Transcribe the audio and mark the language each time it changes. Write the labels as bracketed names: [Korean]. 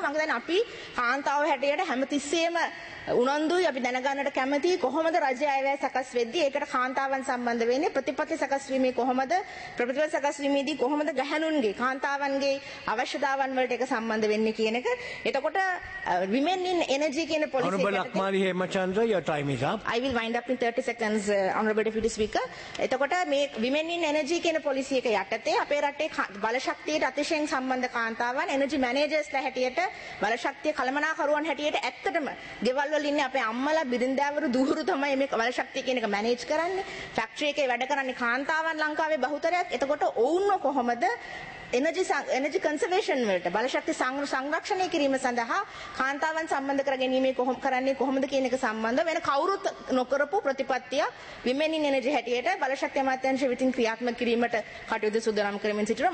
[Sinhala] මම හිතන්නේ අපි කාන්තාව හැටියට හැමතිස්සෙම උනන්දුයි අපි දැනගන්නට කැමති කොහොමද රජ අයවැය සකස් වෙද්දී ඒකට කාන්තාවන් සම්බන්ධ වෙන්නේ ප්‍රතිපත්ති සකස් වීමේ කොහොමද ප්‍රතිපත්ති සකස් වීමේදී කොහොමද ගැහැණුන්ගේ කාන්තාවන්ගේ අවශ්‍යතාවන් වලට ඒක සම්බන්ධ වෙන්නේ කියන එක. එතකොට women in energy කියන පොලිසි එකට [English] honorable lakmali hemachandra your time is up I will wind up in 30 seconds honorable deputy speaker. [Sinhala] එතකොට මේ women in energy කියන පොලිසි එක යටතේ අපේ රටේ බලශක්තියට අතිශයින් සම්බන්ධ කාන්තාවන් energy managers ලා හැටියට බලශක්තිය කළමනාකරුවන් හැටියට ඇත්තටම ගෙවල් වල ඉන්නේ අපේ අම්මලා බිරිඳවරු දුහුරු තමයි මේ බලශක්තිය කියන එක මැනේජ් කරන්නේ. ෆැක්ටරි එකේ වැඩ කරන්නේ කාන්තාවන් ලංකාවේ බහුතරයක්. එතකොට ඔවුන්ව කොහොමද energy conservation වලට බලශක්ති සංරක්ෂණය කිරීම සඳහා කාන්තාවන් සම්බන්ධ කරගැනීමේ කොහොම කරන්නේ කොහොමද කියන එක සම්බන්ධ වෙන කවුරුත් නොකරපු ප්‍රතිපත්තිය women in energy හැටියට බලශක්ති අමාත්‍යංශය විසින් ක්‍රියාත්මක කිරීමට කටයුතු සුදානම් කරමින් සිටිනවා.